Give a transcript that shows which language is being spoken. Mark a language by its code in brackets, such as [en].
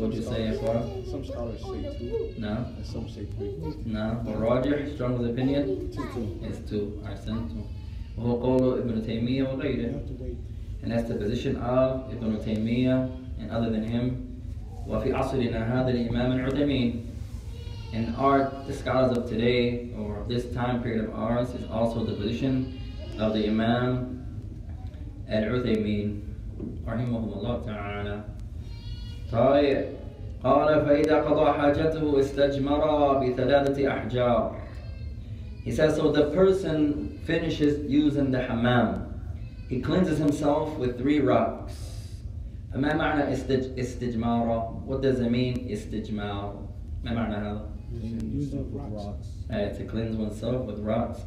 [en] What do you say, إخوان? Some scholars say two. No. And some say three. No. Or Roger, strongest opinion? Two. It's two. [ar] أحسنتم. وهو قول ابن تيمية وغيره. [en] You have to wait. And that's the position of ابن تيمية and other than him. [ar] وفي عصرنا هذا الإمام العثيمي. [en] And our, the scholars of today, or this time period of ours, is also the position of the Imam Al-Uthaymeen, [ar] رحمه الله تعالى. طيب. قال فإذا قضى حاجته استجمر بثلاثة أحجار. [en] He says, so the person finishes using the hammam, He cleanses himself with three rocks. [ar] فما معنى استجمارة? [en] What does it mean, استجمار? [ar] ما معنى هذا? [en] Cleanse himself with rocks. To cleanse oneself with rocks.